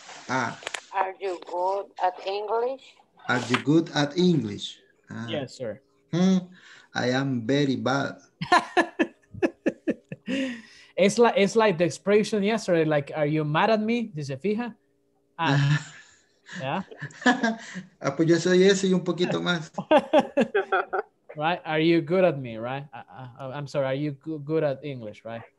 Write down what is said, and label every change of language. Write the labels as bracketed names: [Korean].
[English] Are you good at English? Are you good at English? Yes, sir. I am very bad. it's like the expression yesterday, like, are you mad at me? [Spanish] Dice, fija. Yeah. Pues yo soy ese y un poquito más. [English] Right? Are you good at me, right? I'm sorry, are you good at English, right?